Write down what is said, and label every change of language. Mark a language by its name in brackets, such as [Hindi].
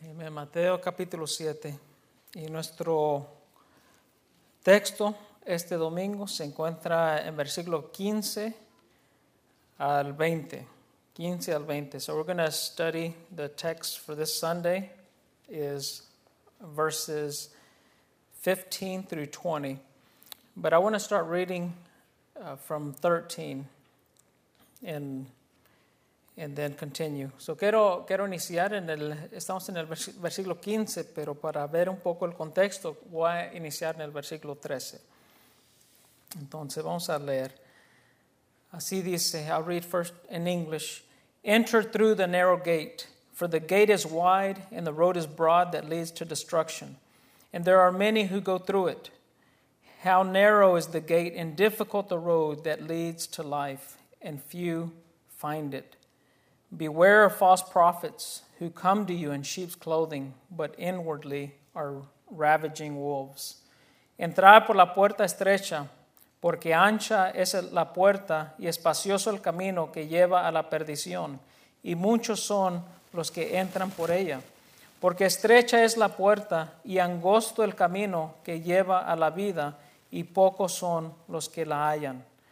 [Spanish] Mateo capítulo 7, y nuestro texto este domingo se encuentra en versículo 15 al 20. 15 al 20. [English] So we're going to study the text for this Sunday is verses 15 through 20. But I want to start reading from 13 and then continue. [Spanish] So quiero iniciar estamos en el versículo 15, pero para ver un poco el contexto, voy a iniciar en el versículo 13. Entonces vamos a leer. Así dice, [English] I'll read first in English. Enter through the narrow gate, for the gate is wide and the road is broad that leads to destruction. And there are many who go through it. How narrow is the gate and difficult the road that leads to life, and few find it. Beware of false prophets who come to you in sheep's clothing, but inwardly are ravaging wolves. [Spanish] Entrad por la puerta estrecha, porque ancha es la puerta y espacioso el camino que lleva a la perdición, y muchos son los que entran por ella. Porque estrecha es la puerta y angosto el camino que lleva a la vida, y pocos son los que la hallan.